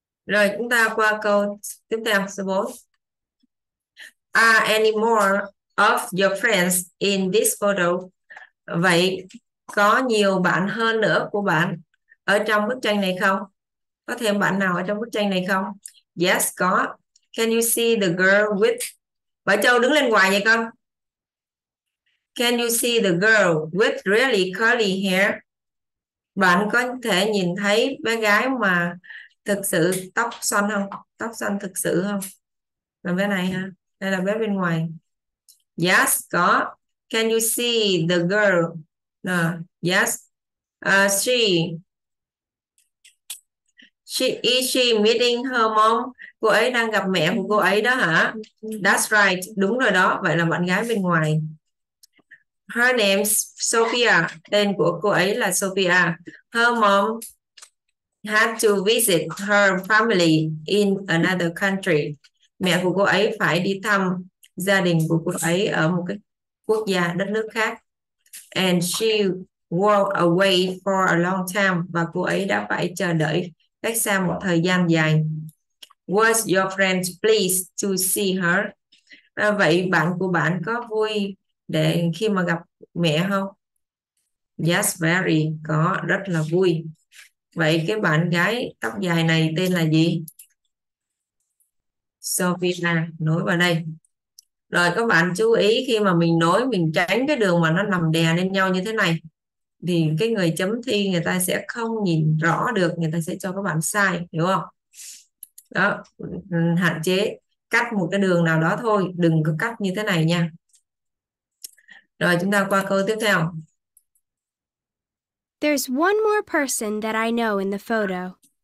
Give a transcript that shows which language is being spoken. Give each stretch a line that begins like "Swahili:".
Vietnamese: Rồi, chúng ta qua câu tiếp theo, số 4.
English: Are any more of your friends in this photo?
Vietnamese: Vậy, có nhiều bạn hơn nữa của bạn ở trong bức tranh này không? Có thêm bạn nào ở trong bức tranh này không? Yes, có.
English: Can you see the girl with...
Vietnamese: Bà Châu đứng lên ngoài vậy con.
English: Can you see the girl with really curly hair?
Vietnamese: Bạn có thể nhìn thấy bé gái mà... thực sự tóc xoăn không? Tóc xoăn thực sự không? Là bé này ha? Đây là bé bên ngoài. Yes, có.
English: Can you see the girl? Yes. She She meeting her mom.
Vietnamese: Cô ấy đang gặp mẹ của cô ấy đó hả?
English: That's right.
Vietnamese: Đúng rồi đó. Vậy là bạn gái bên ngoài.
English: Her name's Sophia.
Vietnamese: Tên của cô ấy là Sophia.
English: Her mom had to visit her family in another country.
Vietnamese: Mẹ của cô ấy phải đi thăm gia đình của cô ấy ở một cái quốc gia, đất nước khác.
English: And she walked away for a long time.
Vietnamese: Và cô ấy đã phải chờ đợi cách xa một thời gian dài.
English: Was your friend pleased to see her?
Vietnamese: À, vậy bạn của bạn có vui để khi mà gặp mẹ không?
English: Yes, very.
Vietnamese: Có, rất là vui. Vậy cái bạn gái tóc dài này tên là gì? Sophia, nối vào đây. Rồi các bạn chú ý khi mà mình nối, mình tránh cái đường mà nó nằm đè lên nhau như thế này, thì cái người chấm thi người ta sẽ không nhìn rõ được, người ta sẽ cho các bạn sai, hiểu không? Đó, hạn chế cắt một cái đường nào đó thôi, đừng có cắt như thế này nha. Rồi chúng ta qua câu tiếp theo.
English: There's one more person that I know in the photo.